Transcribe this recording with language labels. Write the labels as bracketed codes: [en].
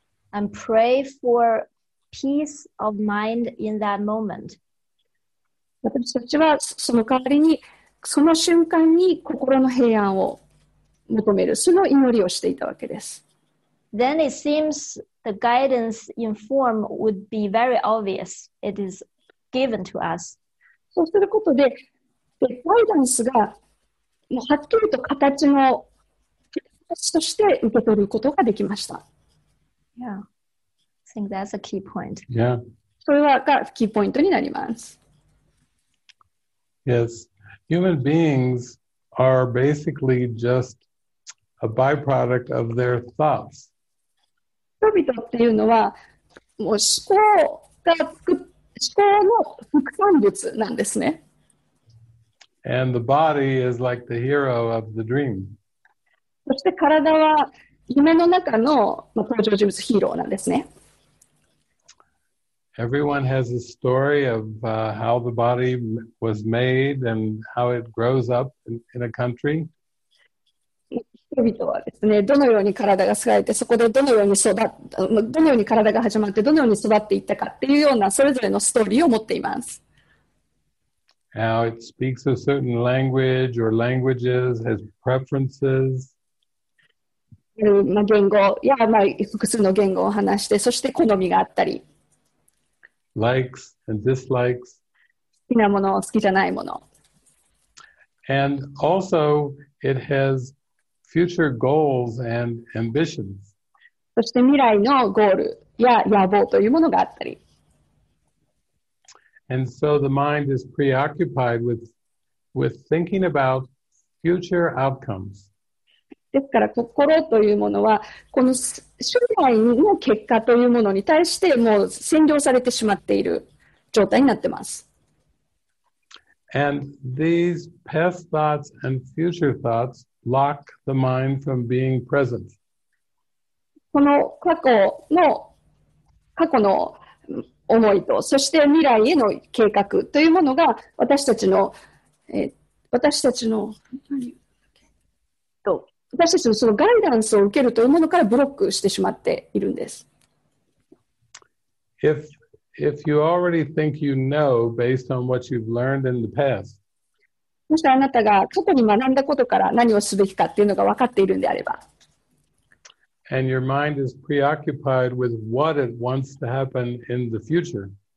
[en] And pray for peace of mind in that moment. [ja] 私たちはその代わりにその瞬間に心の平安を求める、その祈りをしていたわけです。 [en] Then it seems the guidance in form would be very obvious. It is given to us. [ja] そうすることで、ガイダンスがはっきりと形の形として受け取ることができました。 [en] Yeah. I think that's a key point. Yeah. [ja] それはがキーポイントになります。 [en] Yes. Human beings are basically just a byproduct of their thoughts. [ja] 人々っていうのはもう思考が思考の副産物なんですね。 [en] And the body is like the hero of the dream. [ja] そして体は夢の中の、まあ、登場人物、ヒーローなんですね。 [en] Everyone has a story of、how the body was made and how it grows up in a country. [ja] 人々はですね、どのように体が育って、そこでどのように育っ、どのように体が始まって、どのように育っていったかっていうような、それぞれのストーリーを持っています。 [en] Now it speaks a certain language or languages, has preferences. [ja] 言語や、まあ、複数の言語を話して、そして好みがあったり。 [en] Likes and dislikes. [ja] 好きなもの、好きじゃないもの。 [en] And also it hasfuture goals and ambitions. [ja] そして未来のゴールや野望というものがあったり。 [en] And so the mind is preoccupied with thinking about future outcomes. [ja] ですから心というものはこの将来の結果というものに対してもう占領されてしまっている状態になってます。 [en] And these past thoughts and future thoughts. Lock the mind from being present. [ja] この過去の過去の思いと、そして未来への計画というものが私たちの、私たちの何と私たちのそのガイダンスを受けるというものからブロックしてしまっているんです。 [en] If you already think you know based on what you've learned in the past. [ja] もしあなたが過去に学んだことから何をすべきかっていうのが分かっているんであれば。 [en] And your mind is preoccupied with what it wants to happen in the future.